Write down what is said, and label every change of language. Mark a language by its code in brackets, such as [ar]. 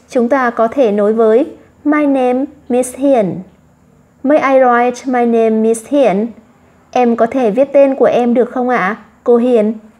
[vi] Chúng ta có thể nối với my name, Miss Hiền. [en] May I write my name, Miss Hiền? [vi] Em có thể viết tên của em được không ạ, cô Hiền?